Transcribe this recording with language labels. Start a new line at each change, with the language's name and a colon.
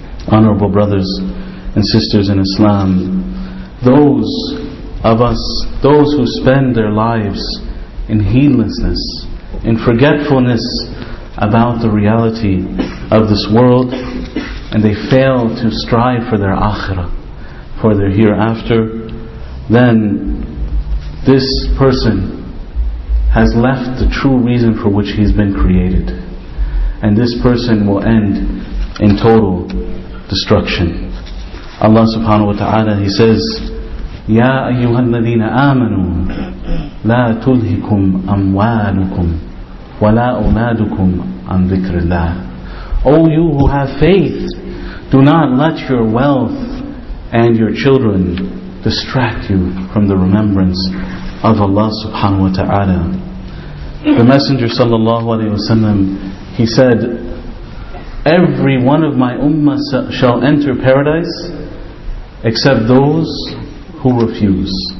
English: Honorable brothers and sisters in Islam, those of us, those who spend their lives in heedlessness, in forgetfulness about the reality of this world, and they fail to strive for their akhirah, for their hereafter, then this person has left the true reason for which he's been created. And this person will end in total destruction. Allah subhanahu wa ta'ala, He says,
Arabic: يَا أَيُّهَا الَّذِينَ آمَنُوا لَا تُلْهِكُمْ أَمْوَالُكُمْ وَلَا أَوْلَادُكُمْ عَنْ ذِكْرِ اللَّهِ.
English: O you who have faith, do not let your wealth and your children distract you from the remembrance of Allah subhanahu wa ta'ala. The Messenger sallallahu alayhi wa sallam, he said, every one of my ummah shall enter paradise except those who refuse.